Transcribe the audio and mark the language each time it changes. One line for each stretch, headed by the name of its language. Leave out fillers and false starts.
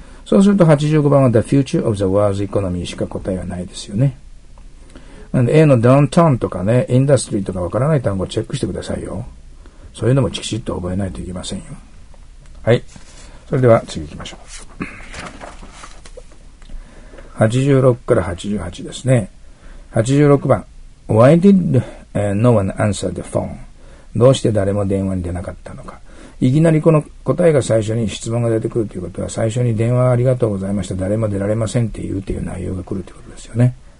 Japanese: そうすると85番は
English: The Future of the World's Economy
Japanese: しか答えはないですよね。なので A の Downtown とかね、Industry とかわからない単語をチェックしてくださいよ。そういうのもきちっと覚えないといけませんよ。はい。それでは次行きましょう。 86から88ですね。
English: 86番 Why did no one answer the phone?
Japanese: どうして誰も電話に出なかったのか。いきなりこの答えが最初に質問が出てくるということは、最初に電話ありがとうございました、誰も出られませんって言うという内容が来るということですよね。